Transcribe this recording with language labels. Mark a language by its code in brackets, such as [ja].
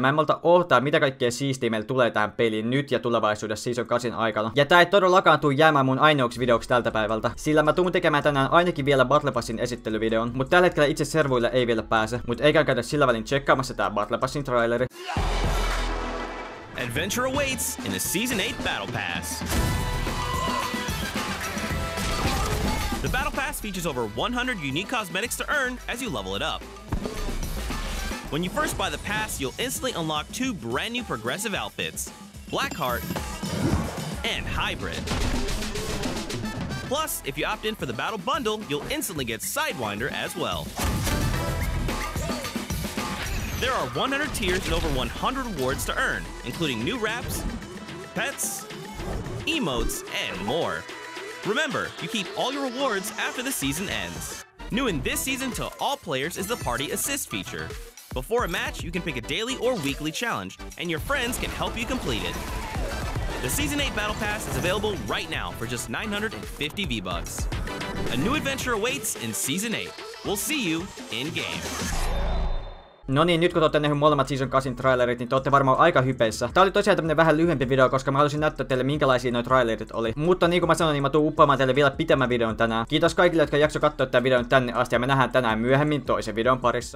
[fi] Mä en malta ohtaa, mitä kaikkea siistiä meillä tulee tähän peliin nyt ja tulevaisuudessa season 8 aikana. Ja tää ei todellakaan tuu jäämään mun ainoaksi videoksi tältä päivältä. Sillä mä tuun tekemään tänään ainakin vielä Battle Passin esittelyvideon. Mut tällä hetkellä itse servuille ei vielä pääse. Mut eikä käydä sillä välin tsekkaamassa tää Battle Passin traileri. [en] Adventure awaits in the Season 8 Battle Pass. The Battle Pass features over 100 unique cosmetics to earn as you level it up. When you first buy the pass, you'll instantly unlock two brand new progressive outfits, Blackheart and Hybrid. Plus, if you opt in for the Battle Bundle, you'll instantly get Sidewinder as well. There are 100 tiers and over 100 awards to earn, including new wraps, pets, emotes, and more. Remember, you keep all your rewards after the season ends. New in this season to all players is the Party Assist feature. Before a match, you can pick a daily or weekly challenge, and your friends can help you complete it. The Season 8 Battle Pass is available right now for just 950 V-Bucks. A new adventure awaits in Season 8. We'll see you in-game. [fi] No niin, nyt kun te olette nähneet molemmat Season 8 trailerit, niin te olette varmaan aika hypeissä. Tää oli tosiaan tämmönen vähän lyhyempi video, koska mä halusin näyttää teille minkälaisia noi trailerit oli. Mutta niin kuin mä sanoin, niin mä tuun uppaamaan teille vielä pitemmän videon tänään. Kiitos kaikille, jotka jakso katsoa tämän videon tänne asti ja me nähdään tänään myöhemmin toisen videon parissa.